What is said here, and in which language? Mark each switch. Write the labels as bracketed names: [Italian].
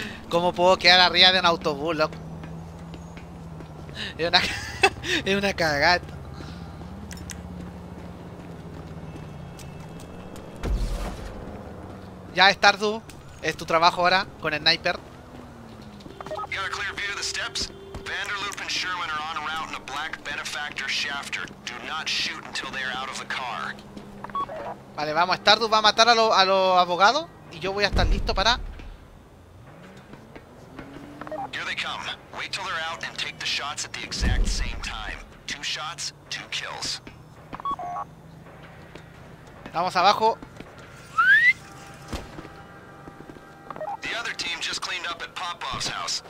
[Spanish] ¿Cómo puedo quedar arriba de un autobús, loco? Es una... es una cagata. Ya, Stardew, es tu trabajo ahora con el sniper. [English] Got a clear view of the steps. Vanderloop and Sherwin are on route in a black benefactor shafter. Do not shoot until they're out of the car. [Spanish] Vale, vamos. Stardew va a matar a los abogados y yo voy a estar listo para. [English] Here they come. Wait till they're out and take the shots at the exact same time. Two shots, two kills. [Spanish] Vamos abajo. [English] The other team just cleaned up at Popov's house.